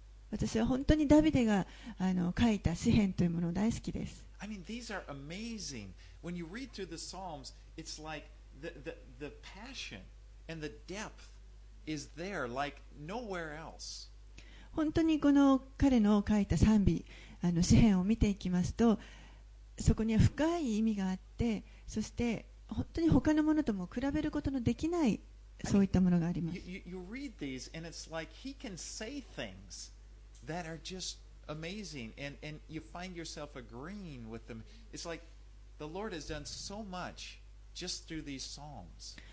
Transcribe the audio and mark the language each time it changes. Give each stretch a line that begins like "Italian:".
Japanese: 私は本当にダビデが書いた詩編というものを大好きです。
English: I mean, these are amazing. When you read through the Psalms, it's like the passion and the depth is there like nowhere else.
Japanese: 本当にこの彼の書いた賛美詩編を見ていきますと、そこには深い意味があって、そして本当に他のものとも比べることのできない、そういったものがあります。
English: you read these and it's like he can say things that are just amazing, and you find yourself agreeing with them. It's like the Lord has done so much just through these psalms.